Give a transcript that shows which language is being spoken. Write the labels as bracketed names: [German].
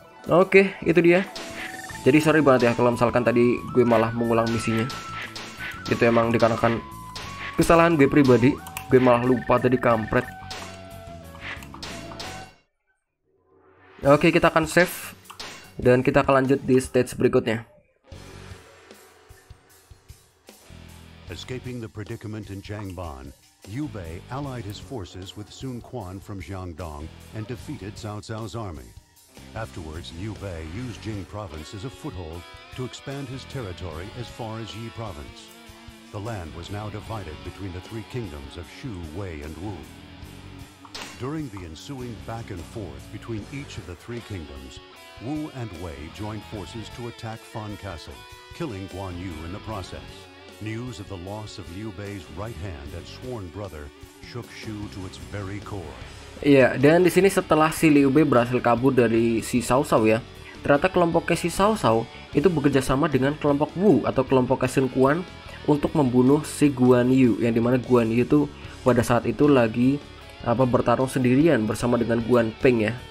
[Indonesian] Oke, itu dia. Jadi sorry banget ya kalau misalkan tadi gue malah mengulang misinya. Itu emang dikarenakan kesalahan gue pribadi. Gue malah lupa tadi, kampret. Oke, kita akan save dan kita akan lanjut di stage berikutnya. [English] Escaping the predicament in Jiangban, Yu Bei allied his forces with Sun Quan from Xiangdong and defeated Cao Cao's army. Afterwards, Yu Bei used Jing province as a foothold to expand his territory as far as Yi province. The land was now divided between the three kingdoms of Shu, Wei, and Wu. During the ensuing back and forth between each of the three kingdoms, Wu and Wei joined forces to attack Fan Castle, killing Guan Yu in the process. News of the loss of Liu Bei's right hand and sworn brother shook Shu to its very core. [Indonesian] Ya, dan di sini setelah si Liu Bei berhasil kabur dari si Cao Cao ya, ternyata kelompoknya si Cao Cao itu bekerja sama dengan kelompok Wu atau kelompok Sun Quan untuk membunuh si Guan Yu, yang dimana Guan Yu itu pada saat itu lagi apa bertarung sendirian bersama dengan Guan Ping ya.